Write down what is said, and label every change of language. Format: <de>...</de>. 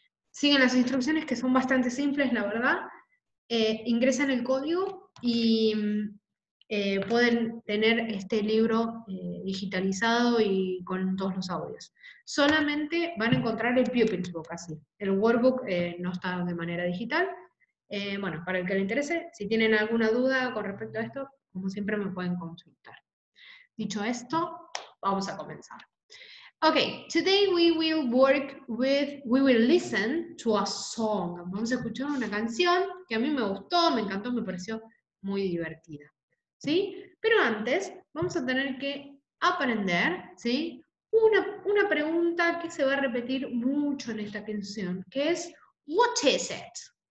<es>Siguen las instrucciones, que son bastante simples, la verdad. Ingresan el código y pueden tener este libro digitalizado y con todos los audios. Solamente van a encontrar el Pupils Book, así. El Workbook no está de manera digital. Bueno, para el que le interese, si tienen alguna duda con respecto a esto, como siempre me pueden consultar. Dicho esto, vamos a comenzar.</es> <en>Okay, today we will listen to a song.</en> <es>Vamos a escuchar una canción que a mí me gustó, me encantó, me pareció muy divertida. ¿Sí? Pero antes, vamos a tener que aprender, ¿sí? Una pregunta que se va a repetir mucho en esta canción, que es,</es> <en>what is it?</en>